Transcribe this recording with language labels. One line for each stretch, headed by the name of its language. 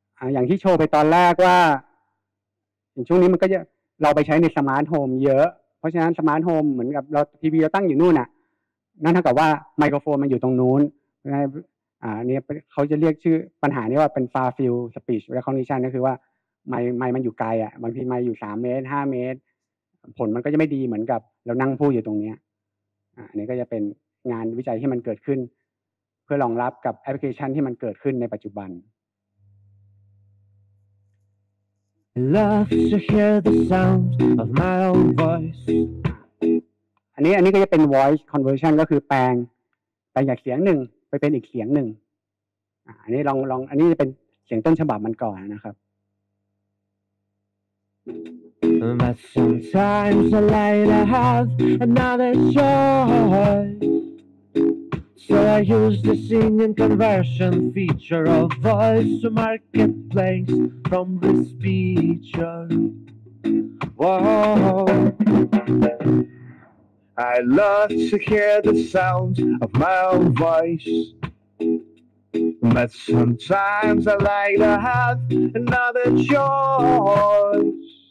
Thai: อย่างที่โชว์ไปตอนแรกว่าช่วงนี้มันก็จะเราไปใช้ในสมาร์ทโฮมเยอะเพราะฉะนั้นสมาร์ทโฮมเหมือนกับเราทีวีเราตั้งอยู่นู่นน่ะนั่นเท่ากับว่าไมโครโฟนมันอยู่ตรงนู้นนะนี่เขาจะเรียกชื่อปัญหานี้ว่าเป็น far field speech recognition ก็คือว่าไมค์มันอยู่ไกลอ่ะบางทีไมค์อยู่3เมตร5เมตรผลมันก็จะไม่ดีเหมือนกับเรานั่งพูดอยู่ตรงนี้อันนี้ก็จะเป็นงานวิจัยที่มันเกิดขึ้นเพื่อรองรับกับแอปพลิเคชันที่มันเกิดขึ้นในปัจจุบัน
English: Love to hear the sound of my own voice
Thai: อันนี้ก็จะเป็น voice conversion ก็คือแปลงจากเสียงหนึ่งไปเป็นอีกเสียงหนึ่งอันนี้ลองอันนี้จะเป็นเสียงต้นฉบับมันก่อนนะครับ
English: But sometimes I like to have another choice So I use the singing conversion feature of voice to marketplace from the speech Whoa I love to hear the sound of my own voice But sometimes I like to have another choice